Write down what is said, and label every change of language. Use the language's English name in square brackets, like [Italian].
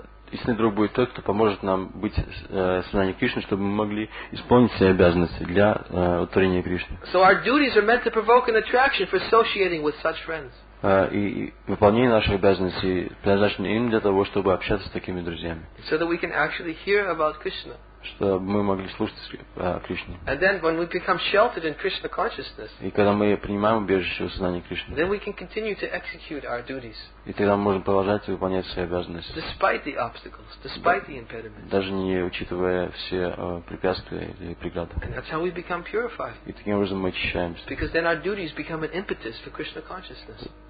[Russian] Истинный друг будет тот, кто поможет нам быть сознанием Кришны, чтобы мы могли исполнить все обязанности для утворения Кришны. [English] So our duties are meant to provoke an attraction for associating with such friends. [Russian] И выполнение наших обязанностей предназначено им для того, чтобы общаться с такими друзьями. [English] So that we can actually hear about Krishna. [Russian] Чтобы мы могли слушать о Кришне. [English] And then when we become sheltered in Krishna consciousness. [Russian] И когда мы принимаем убежище в сознании Кришны. [English] Then we can continue to execute our duties. [Russian] И тогда мы можем продолжать выполнять свои обязанности. [English] Despite the obstacles, despite the impediments. [Russian] Даже не учитывая все препятствия или преграды. [English] And that's how we become purified. [Russian] И таким образом мы очищаемся. [English] Because then our duties become an impetus for Krishna consciousness.